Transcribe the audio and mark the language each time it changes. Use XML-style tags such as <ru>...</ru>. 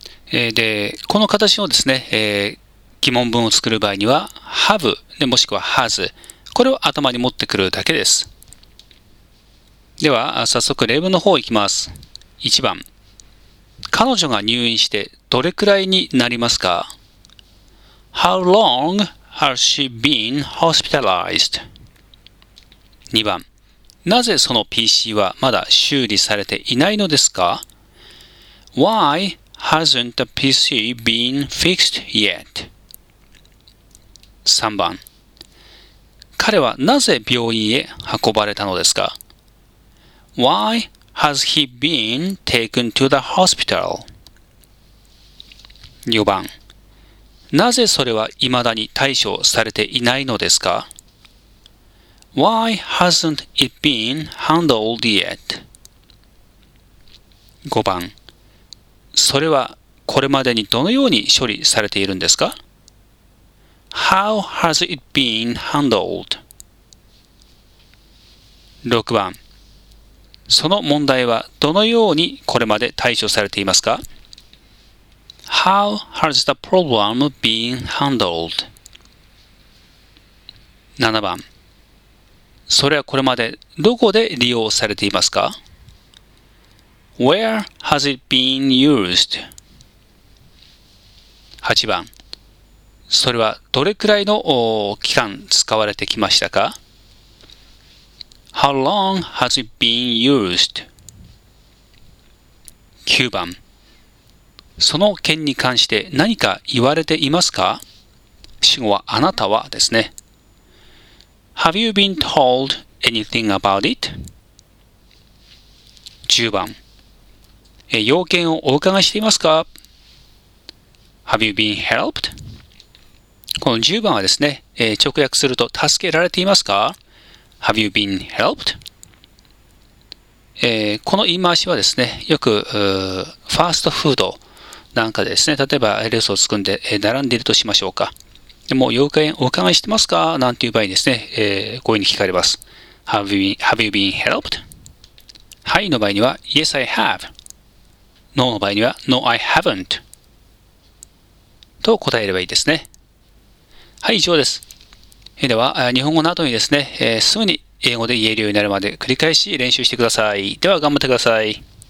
<ja>でこの形のですね、疑問文を作る場合には have もしくは has、 これを頭に持ってくるだけです。では早速例文の方行きます。1番、彼女が入院してどれくらいになりますか。</ja> <en>How long has she been hospitalized?</en> <ja>2番、なぜその PC はまだ修理されていないのですか。</ja> <en>Why hasn't the PC been fixed yet?</en> <ja>3番、彼はなぜ病院へ運ばれたのですか。</ja> <en>Why has he been taken to the hospital?</en> <ja>4番、なぜそれは未だに対処されていないのですか。</ja> <en>Why hasn't it been handled yet?</en> <ja>5番、それはこれまでにどのように処理されているんですか。</ja> <en>How has it been handled?</en> <ja>6番、その問題はどのようにこれまで対処されていますか?</ja> <en>How has the problem been handled?</en> <ja>7番、それはこれまでどこで利用されていますか?</ja> <en>Where has it been used?</en> <ja>8番、それはどれくらいの期間使われてきましたか?</ja> <en>How long has it been used?</en> <ja>9番、その件に関して何か言われていますか? 主語はあなたはですね。</ja> <en>Have you been told anything about it?</en> <ja>10番、用件をお伺いしていますか?</ja> <en>Have you been helped?</en> <ja>この10番はですね、直訳すると助けられていますか?</ja> <en>Have you been helped?</en> <ja>この言い回しはですね、よくファーストフードなんかでですね、例えば列を作んで並んでいるとしましょうか。もう用件お伺いしてますかなんていう場合ですね、こういうふうに聞かれます。</ja> <en>Have you been helped?</en> <ja>はいの場合には、</ja> <en>Yes, I have. No</en> <ja>の場合には、</ja> <en>No, I haven't.</en> <ja>と答えればいいですね。はい、以上です。では日本語の後にですね、すぐに英語で言えるようになるまで繰り返し練習してください。では頑張ってください。</ja>